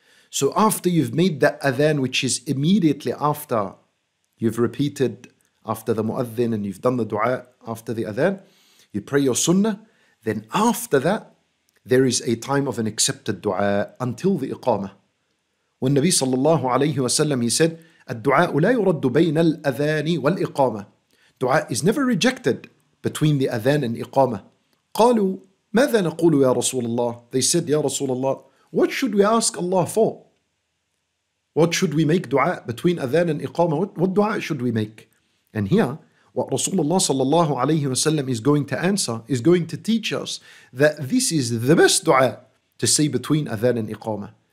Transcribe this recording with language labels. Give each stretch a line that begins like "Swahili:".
English: So after you've made that adhan, which is immediately after you've repeated after the muadhin and you've done the dua after the adhan, you pray your sunnah, then after that, there is a time of an accepted dua until the iqama. When Nabi sallallahu alayhi wa sallam, he said,
Arabic: الدعاء لا يرد بين الأذان والإقامة.
English: Dua is never rejected between the adhan and iqama.
Arabic: قالوا ماذا نقول يا رسول الله?
English: They said,
Arabic: يا رسول الله,
English: what should we ask Allah for? What should we make dua between adhan and iqama? What dua should we make? And here, what Rasulullah sallallahu alayhi wa sallam is going to answer, is going to teach us that this is the best dua to say between adhan and iqama.